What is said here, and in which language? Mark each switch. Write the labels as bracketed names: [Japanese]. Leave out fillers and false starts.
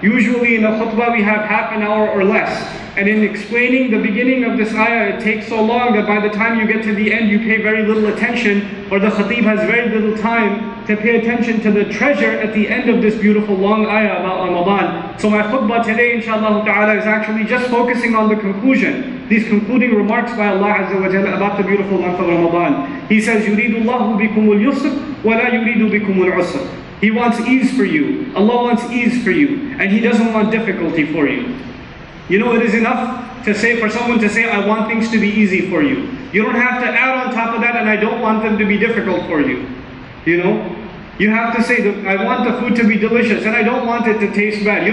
[English] Usually in a khutbah we have half an hour or less. And in explaining the beginning of this ayah, it takes so long that by the time you get to the end, you pay very little attention, or the khatib has very little time to pay attention to the treasure at the end of this beautiful long ayah about Ramadan. So my khutbah today, inshaAllah ta'ala, is actually just focusing on the conclusion, these concluding remarks by Allah Azza wa Jalla about the beautiful month of Ramadan. He says, [Arabic] يُرِيدُ اللَّهُ بِكُمُ الْيُسْرِ وَلَا يُرِيدُ بِكُمُ الْعُسْرِ. [English] He wants ease for you. Allah wants ease for you. And He doesn't want difficulty for you. You know, it is enough to say, for someone to say, I want things to be easy for you. You don't have to add on top of that, and I don't want them to be difficult for you. You know, you have to say, I want the food to be delicious, and I don't want it to taste bad.